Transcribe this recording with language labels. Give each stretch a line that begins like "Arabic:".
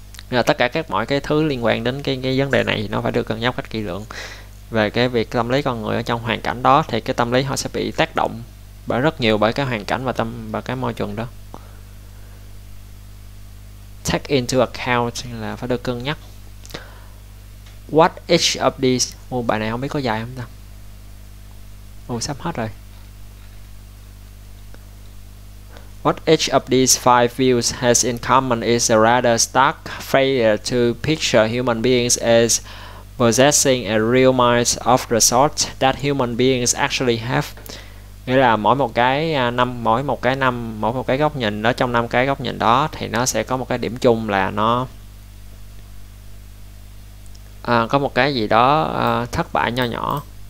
Vietnamese: Nên là tất cả các mọi cái thứ liên quan đến cái vấn đề này thì nó phải được cân nhắc một cách kỹ lưỡng về cái việc tâm lý con người ở trong hoàn cảnh đó, thì cái tâm lý họ sẽ bị tác động bởi rất nhiều bởi cái hoàn cảnh và cái môi trường đó.
English: Take into account
Vietnamese: là phải được cân nhắc.
English: What each of these?
Vietnamese: Bài này không biết có dài không ta? Sắp hết rồi.
English: What each of these five views has in common is a rather stark failure to picture human beings as possessing a real mind of the sort that human beings actually have.
Vietnamese: Nghĩa là mỗi một cái góc nhìn đó, trong năm cái góc nhìn đó thì nó sẽ có một cái điểm chung là nó có một cái gì đó thất bại nho nhỏ